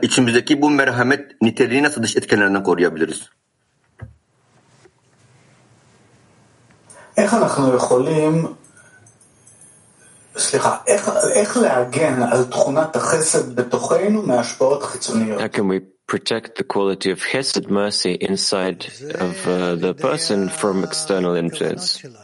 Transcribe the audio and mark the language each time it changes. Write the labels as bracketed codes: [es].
[tr] İçimizdeki bu merhamet niteliğini nasıl dış etkenlerden koruyabiliriz? [he] Eh, אנחנו יכולים. סליחה. איך להגן על תכונת החסד בתוכנו מהשפעות חיצוניות? [en] How can we protect the quality of chesed, mercy inside of the person from external influence?